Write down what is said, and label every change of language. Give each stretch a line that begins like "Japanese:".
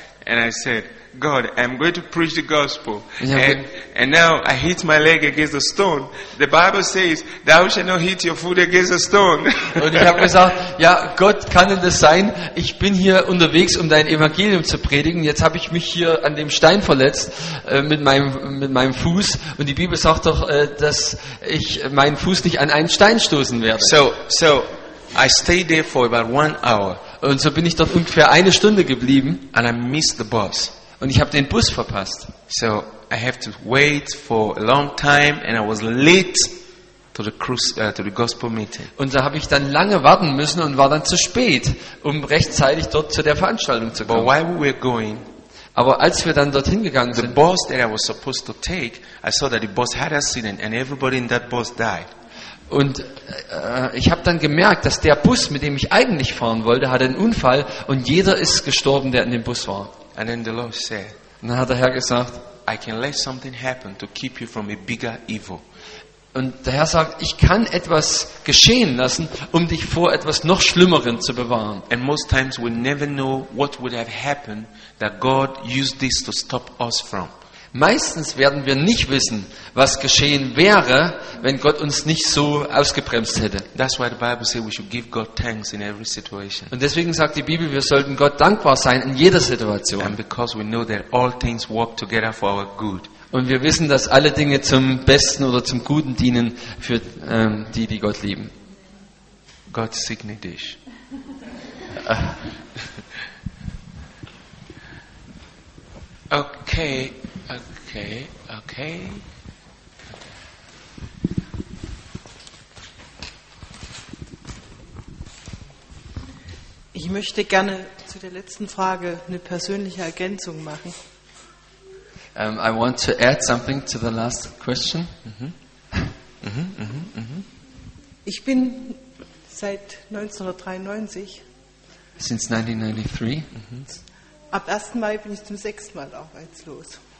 English: And I said, God, I'm going to preach the gospel. And now I hit my leg against a stone. The Bible says, thou shalt not hit your foot against a stone.
German: Und ich habe gesagt, ja, Gott, kann denn das sein? Ich bin hier unterwegs, um dein Evangelium zu predigen. Jetzt habe ich mich hier an dem Stein verletzt mit meinem Fuß. Und die Bibel sagt doch, dass ich meinen Fuß nicht an einen Stein stoßen werde.
English: So I stayed there for about 1 hour.
German: Und so bin ich dort ungefähr eine Stunde geblieben.
English: And I missed the bus.
German: Und ich habe den Bus verpasst.
English: So I have to wait for a long time and I was late to the cruise, to the gospel meeting.
German: Und da habe ich dann lange warten müssen und war dann zu spät, um rechtzeitig dort zu der Veranstaltung zu kommen.
English: But while we were going,
German: aber als wir dann dorthin gegangen sind,
English: the bus that I was supposed to take, I saw that the bus had an accident and everybody in that bus died.
German: Und ich habe dann gemerkt, dass der Bus, mit dem ich eigentlich fahren wollte, hatte einen Unfall und jeder ist gestorben, der in dem Bus war.
English: And then the Lord said,
German: und dann hat der Herr gesagt,
English: I can let something happen to keep you from a bigger evil.
German: Und der Herr sagt, ich kann etwas geschehen lassen, um dich vor etwas noch Schlimmerem zu bewahren.
English: And most times we never know what would have happened that God used this to stop us from.
German: Meistens werden wir nicht wissen, was geschehen wäre, wenn Gott uns nicht so ausgebremst hätte.
English: That's why the Bible says we should give God thanks in every situation.
German: Und deswegen sagt die Bibel, wir sollten Gott dankbar sein in jeder Situation.
English: And because we know that all things work together for our good.
German: Und wir wissen, dass alle Dinge zum Besten oder zum Guten dienen für die, die Gott lieben. God segne dich.
English: Okay. Okay.
German: Ich möchte gerne zu der letzten Frage eine persönliche Ergänzung machen.
English: I want to add something to the last question.
German: Ich bin seit 1993.
English: Since 1993.
German: Ab 1. Mai bin ich zum 6. Mal arbeitslos.